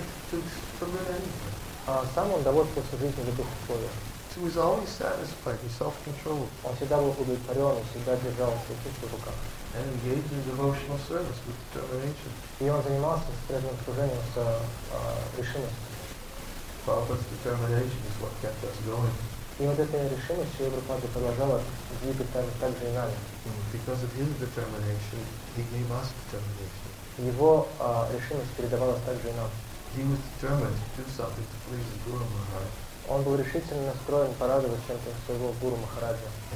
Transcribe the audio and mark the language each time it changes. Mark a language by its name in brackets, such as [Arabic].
[English] Himself, he was satisfied to live anywhere. [Russian] Сам он довольствовался жизнью в любых условиях. [English] He was always satisfied and self-controlled. [Russian] Он всегда был удовлетворен, всегда держал все чувства в руках. [English] And engaged in devotional service with determination. [Russian] И он занимался преданным служением с решимостью. [English] Prabhupada's determination is what kept us going. [Russian] И вот эта решимость Шрила Прабхупады продолжала двигаться так же и нами. [English] Because of his determination, he gave us determination. [Russian] Его решимость передавалась так же и нам. [English] He was determined to do something to please Guru Maharaj. [Russian] Он был решительно настроен порадовать чем-то своего гуру Махараджа.